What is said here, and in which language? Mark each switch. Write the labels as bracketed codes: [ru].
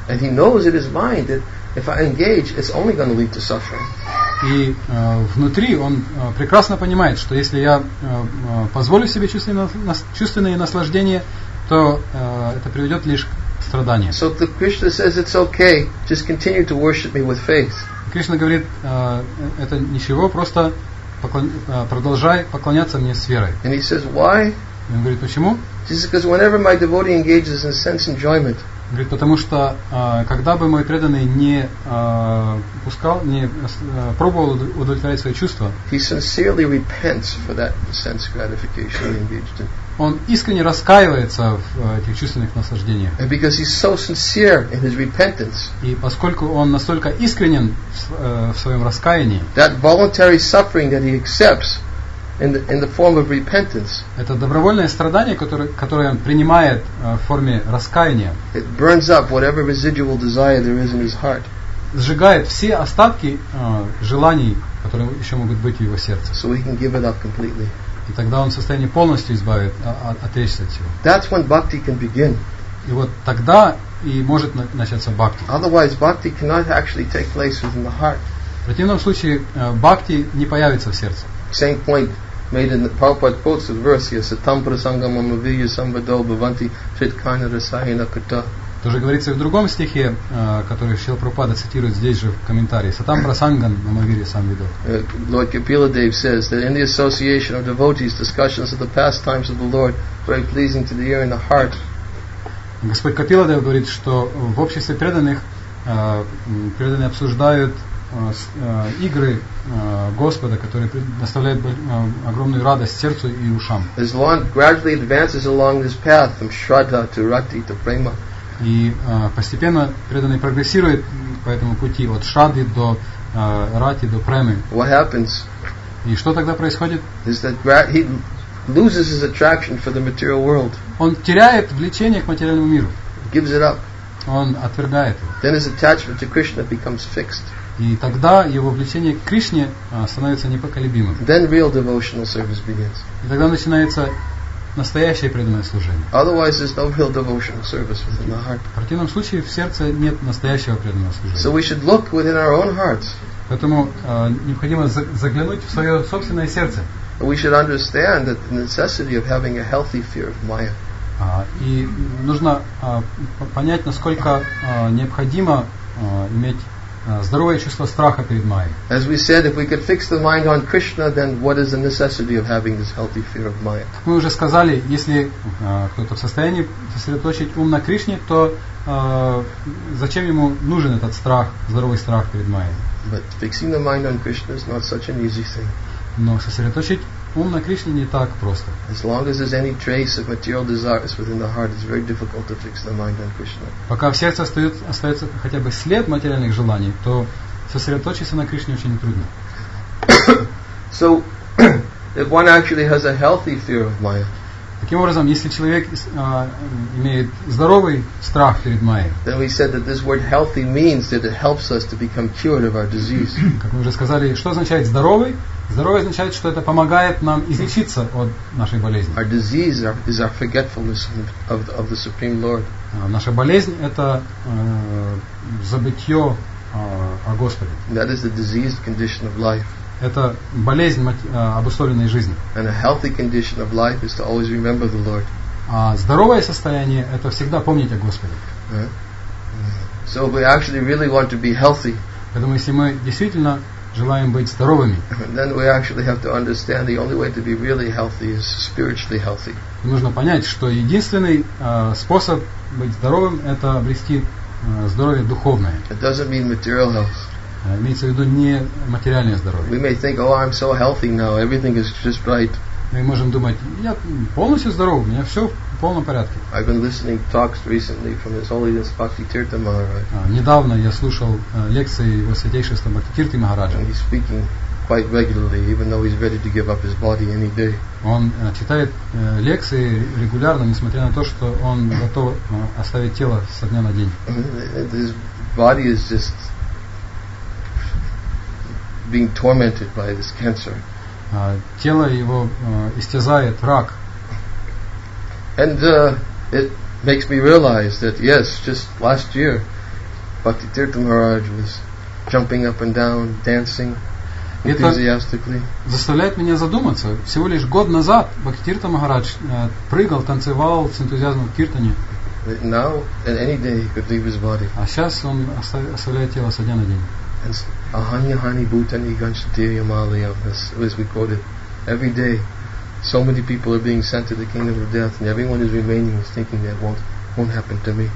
[en] And he knows in his mind that if I engage, it's only going to lead to suffering. [ru] И внутри он прекрасно понимает, что если я позволю себе чувственные наслаждения, то это приведет лишь к страданиям. [en] So the Krishna says it's okay, just continue to worship me with faith. [ru] Кришна говорит, это ничего, просто продолжай поклоняться мне с верой. [en] And he says, why? [ru] И он говорит, почему? [en] He says, because whenever my devotee engages in sense enjoyment. [ru] Говорит, потому что когда бы мой преданный не пускал, не пробовал удовлетворять свои чувства, [en] he sincerely repents for that sense gratification he engaged in. [ru] Он искренне раскаивается в этих чувственных наслаждениях. [en] And because he's so sincere in his repentance, [ru] и поскольку он настолько искренен в своем раскаянии, [en] that voluntary suffering that he accepts in the form of repentance. [ru] Это добровольное страдание, которое он принимает в форме раскаяния. [en] It burns up whatever residual desire there is in his heart. [ru] сжигает все остатки желаний, которые еще могут быть в его сердце. [en] So he can give it up completely. [ru] И тогда он в состоянии полностью избавит, отречься от всего. [en] That's when bhakti can begin. [ru] И вот тогда и может начаться бхакти. [en] Otherwise, bhakti cannot actually take place within the heart. [ru] В противном случае бхакти не появится в сердце. [en] Same point made in the Prabhupada quotes of verse here: [sa] "Satam prasangam amaviya samvadol bhavanti chitkana rasayana kata." [ru] Тоже говорится и в другом стихе, который Шрила Прабхупада цитирует здесь же в комментарии. [sa] Сатам прасанган намавири сам видо. [en] Lord Kapiladev says that in the association of devotees, discussions of the pastimes of the Lord are very pleasing to the ear and the heart. [ru] Господь Капиладев говорит, что в обществе преданных преданные обсуждают игры Господа, которые доставляют огромную радость сердцу и ушам. [en] As one gradually advances along this path from shraddha to rakti to prema. [ru] И постепенно преданный прогрессирует по этому пути от шрадды до рати до премы. [en] What happens? [ru] И что тогда происходит? [en] Is that he loses his attraction for the material world. [ru] Он теряет влечение к материальному миру. [en] Gives it up. [ru] Он отвергает его. [en] Then his attachment to Krishna becomes fixed. [ru] И тогда его влечение к Кришне становится непоколебимым. [en] Then real devotional service begins. [ru] И тогда начинается настоящее преданное служение. [en] Otherwise, there's no real devotional service within the heart. [ru] В противном случае в сердце нет настоящего преданного служения. [en] So we should look within our own hearts. [ru] Поэтому необходимо заглянуть в свое собственное сердце. [en] We should understand that the necessity of having a healthy fear of Maya. [ru] И нужно понять, насколько необходимо иметь здоровое чувство страха перед Майей. [en] As we said, if we could fix the mind on Krishna, then what is the necessity of having this healthy fear of Maya? [ru] Как мы уже сказали, если кто-то в состоянии сосредоточить ум на Кришне, то зачем ему нужен этот страх, здоровый страх перед Майей? [en] But fixing the mind on Krishna is not such an easy thing. [ru] Но сосредоточить ум на Кришне не так просто. [en] As long as there's any trace of material desires within the heart, it's very difficult to fix the mind on Krishna. [ru] Пока в сердце остается хотя бы след материальных желаний, то сосредоточиться на Кришне очень трудно. [en] So, if one actually has a healthy fear of Maya. [ru] Таким образом, если человек имеет здоровый страх перед Майей, [en] then we said that this word healthy means that it helps us to become cured of our disease. [ru] Как мы уже сказали, что означает здоровый? Здоровый означает, что это помогает нам излечиться от нашей болезни. [en] Our disease is our forgetfulness of the Supreme Lord. [ru] Наша болезнь – это забытье о Господе. [en] That is the diseased condition of life. [ru] Это болезнь обусловленной жизни. [en] And a healthy condition of life is to always remember the Lord. [ru] А здоровое состояние – это всегда помнить о Господе. [en] So we actually really want to be healthy. [ru] Поэтому если мы действительно желаем быть здоровыми, [en] then we actually have to understand the only way to be really healthy is spiritually healthy. [ru] Нужно понять, что единственный способ быть здоровым – это обрести здоровье духовное. [en] It doesn't mean material health. [ru] Имеется в виду не материальное здоровье. [en] We may think, oh, I'm so healthy now, everything is just right. [ru] Мы можем думать, я полностью здоров, у меня все в полном порядке. [en] I've been listening to talks recently from His Holiness Bhaktivedanta Maharaj. [ru] Недавно я слушал лекции Его Святейшества Бхактивидьянты Махараджа. [en] He's speaking quite regularly, even though he's ready to give up his body any day. [ru] Он читает лекции регулярно, несмотря на то, что он готов оставить тело со дня на день. [en] His body is just being tormented by this cancer. [ru] Тело его истязает рак. [en] And it makes me realize that yes, just last year Bhaktivedanta Maharaj was jumping up and down, dancing enthusiastically. [ru] Это заставляет меня задуматься. Всего лишь год назад Бхактивидьянта Махарадж прыгал, танцевал с энтузиазмом в киртане. [en] Now, and any day he could leave his body. [ru] А сейчас он оставляет тело со дня на день. [sa] Ahanya hani bhutani ganchatirya malaya, [en] as we quoted, every day so many people are being sent to the kingdom of death and everyone is remaining is thinking that won't happen to me.